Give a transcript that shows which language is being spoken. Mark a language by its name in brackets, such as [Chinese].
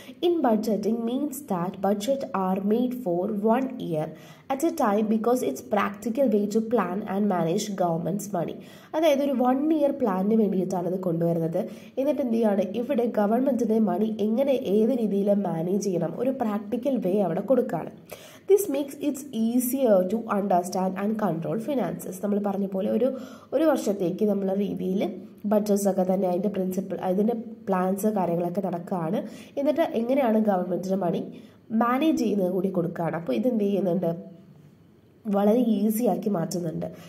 [English] In budgeting means that budget are made for one year at a time because it's practical way to plan and manage government's money. [Malayalam] അതായത് ഒരു one year പ്ലാനിന് വേണ്ടിയിട്ടാണ് ഇത് കൊണ്ടുവരുന്നത്. എന്നിട്ട് എന്ത് ചെയ്യാണ്, ഇവിടെ ഗവൺമെൻറ്റിൻ്റെ മണി എങ്ങനെ ഏത് രീതിയിൽ മാനേജ് ചെയ്യണം, ഒരു പ്രാക്ടിക്കൽ വേ അവിടെ കൊടുക്കുകയാണ്. [English] This makes it easier to understand and control finances. [Malayalam] നമ്മൾ പറഞ്ഞ പോലെ ഒരു ഒരു വർഷത്തേക്ക് നമ്മളെ രീതിയിൽ ബഡ്ജറ്റ്സ് ഒക്കെ തന്നെ അതിൻ്റെ പ്രിൻസിപ്പിൾ അതിൻ്റെ പ്ലാൻസ് കാര്യങ്ങളൊക്കെ നടക്കുകയാണ്. എന്നിട്ട് എങ്ങനെയാണ് ഗവൺമെൻറ്റിൻ്റെ മണി മാനേജ് ചെയ്യുന്നത് കൂടി കൊടുക്കുകയാണ്. അപ്പോൾ ഇതെന്ത് ചെയ്യുന്നുണ്ട്, വളരെ ഈസി ആക്കി മാറ്റുന്നുണ്ട്.